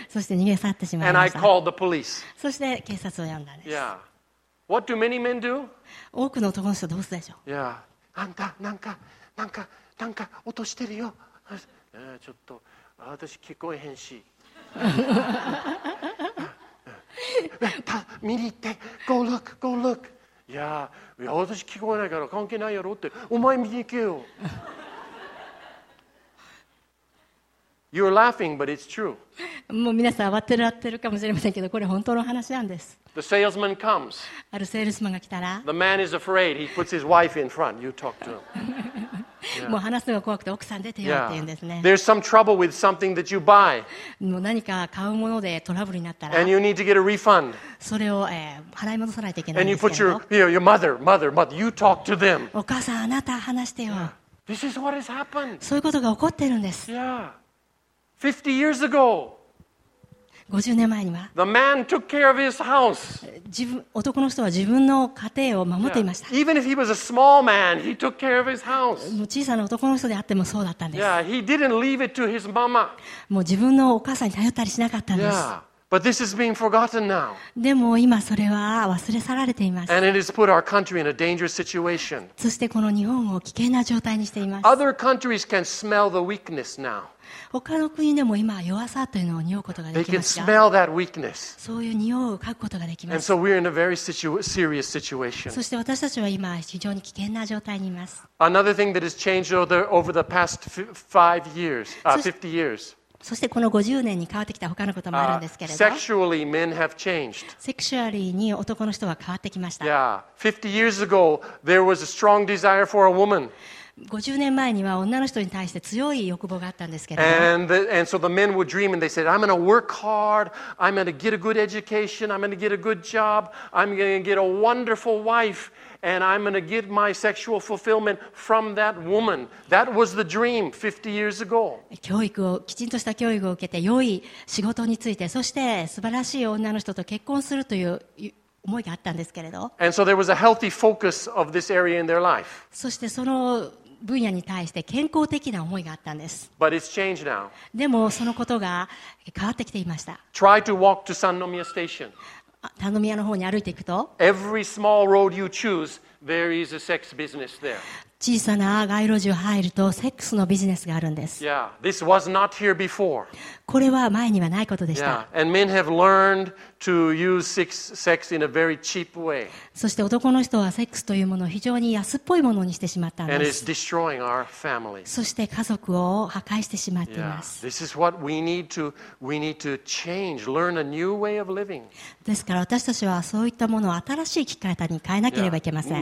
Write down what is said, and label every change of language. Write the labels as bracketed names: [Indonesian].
[Japanese] そして逃げ去ってしまいました。 [English] And I called the police. [Japanese] そして警察を呼んだんです。 [English] Yeah. What do many men do? [Japanese] 多くの男の人どうするでしょう。 Yeah. あんたなんか落としてるよ。ちょっと私聞こえへんし。見に行って [English] Go look, go look. [Japanese] いや私聞こえないから関係ないやろって、お前見に行けよ。 [English] You're laughing, but it's true. [Japanese] もう皆さん笑ってらってるかもしれませんけど、これ本当の話なんです。 [English] The salesman comes. [Japanese] あるセールスマンが来たら、 [English] The man is afraid. He puts his wife in front. You talk to him. [Japanese] もう話すのが怖くて奥さん出てよって言うんですね。 [English] There's some trouble with something that you buy. [Japanese] もう何か買うものでトラブルになったら。 [English] And you need to get a refund. [Japanese] それを、払い戻さないといけないんですけど。 [English] And you put your mother, you talk to them. [Japanese] お母さんあなた話してよ。 [English] This is what has happened. [Japanese] そういうことが起こってるんです。 [English] Yeah. 50 years ago. [Japanese] 50年前には [English] The man took care of his house. [Japanese] 自分男の人は自分の家庭を守っていました。 [English] Even if he was a small man, he took care of his house. [Japanese] 小さな男の人であってもそうだったんです。 [English] Yeah, he didn't leave it to his mama. [Japanese] もう自分のお母さんに頼ったりしなかったんです。 [English] Yeah, but this is being forgotten now. [Japanese] でも今それは忘れ去られています。 [English] And it has put our country in a dangerous situation. [Japanese] そしてこの日本を危険な状態にしています。 [English] Other countries can smell the weakness now. [Japanese] 他の国でも今弱さというのを匂うことができますが、 [English] They can smell that weakness. [Japanese] そういう匂いを嗅ぐことができます。 [English] And so we're in a very serious situation. [Japanese] そして私たちは今非常に危険な状態にいます。 [English] Another thing that has changed over the past 5 years, 50 years. [Japanese] そしてこの50年に変わってきた他のこともあるんですけれど、 [English] sexually men have changed. [Japanese] セクシュアリーに男の人は変わってきました。 [English] Yeah, 50 years ago there was a strong desire for a woman. [Japanese] 50年前には女の人に対して強い欲望があったんですけれども [English] 、and so the men would dream and they said, I'm going to work hard, I'm going to get a good education, I'm going to get a good job, I'm going to get a wonderful wife, and I'm going to get my sexual fulfillment from that woman. That was the dream 50 years ago. [Japanese] 教育をきちんとした教育を受けて良い仕事についてそして素晴らしい女の人と結婚するという思いがあったんですけれど、 [English] And so there was a healthy focus of this area in their life. [Japanese] そしてその分野に対して健康的な思いがあったんです。 [English] But it's changed now. [Japanese] でもそのことが変わってきていました。 [English] Try to walk to Sannomiya Station. [Japanese] 三宮の方に歩いていくと、 [English] Every small road you choose, there is a sex business there. [Japanese] 小さな街路樹入るとセックスのビジネスがあるんです。 [English] Yeah, this was not here before. [Japanese] これは前にはないことでした。 [English] Yeah, and men have learned. To use sex in a very cheap way. [Japanese] そして男の人はセックスというものを非常に安っぽいものにしてしまったんです。 [English] And it's destroying our family. [Japanese] そして家族を破壊してしまっています。 [English] Yeah. This is what we need to change, learn a new way of living. [Japanese] ですから私たちはそういったものを新しい生き方に変えなければいけません。